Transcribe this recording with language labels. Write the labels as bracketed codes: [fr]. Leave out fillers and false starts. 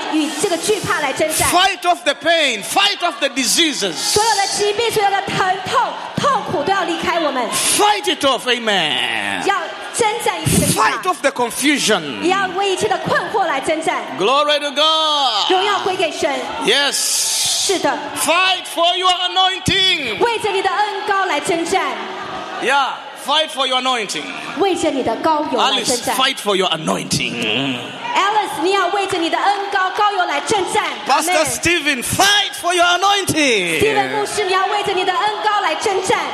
[zh] 我们要与这个惧怕来征战。 [en] Fight off the pain. Fight off the diseases. [zh] 所有的疾病，所有的疼痛，痛苦都要离开我们。 [en] Fight it off, amen. [zh] 要征战一切的惧怕。 [en] Fight off the confusion. [zh] 也要为一切的困惑来征战。 [en] Glory to God. [zh] 荣耀归给神。 [en] Yes. [zh] 是的。 [en] Fight for your anointing. [zh] 为着你的恩膏来征战。 [en] Yeah. Fight for your anointing. [zh] 为着你的膏油来征战。 [en] Alice, fight for your anointing. [zh] Alice, 你要为着你的恩膏膏油来征战。 [en] Pastor Stephen, fight for your anointing. [zh] Stephen 牧师, 你要为着你的恩膏来征战。